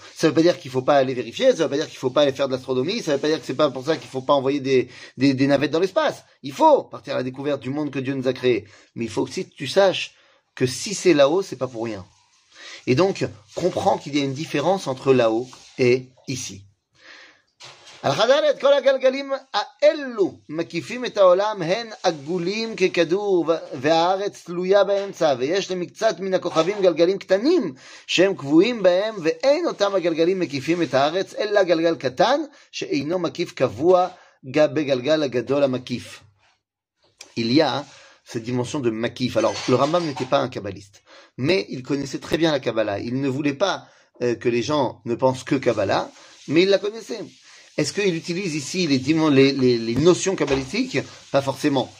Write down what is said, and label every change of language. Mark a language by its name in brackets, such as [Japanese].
[French] Ça veut pas dire qu'il faut pas aller vérifier, ça veut pas dire qu'il faut pas aller faire de l'astronomie, ça veut pas dire que c'est pas pour ça qu'il faut pas envoyer des navettes dans l'espace. Il faut partir à la découverte du monde que Dieu nous a créé. Mais il faut aussi que tu saches que si c'est là-haut, c'est pas pour rien. Et donc, comprends qu'il y a une différence entre là-haut et ici. [Hebrew] על חדרת כל הגלגלים האלו מקיפים את העולם, הן עגולים ככדור והארץ תלויה באמצע, ויש למקצת מן הכוכבים גלגלים קטנים שהם קבועים בהם, ואין אותם הגלגלים מקיפים את הארץ, אלא גלגל קטן שאינו מקיף קבוע בגלגל הגדול המקיף. [French] איליה, cette dimension de makif. Alors, le Rambam n'était pas un kabbaliste, mais il connaissait très bien la Kabbalah. Il ne voulait pas que les gens ne pensent que Kabbalah, mais il la connaissait. Est-ce qu'il utilise ici les notions kabbalistiques? Pas forcément.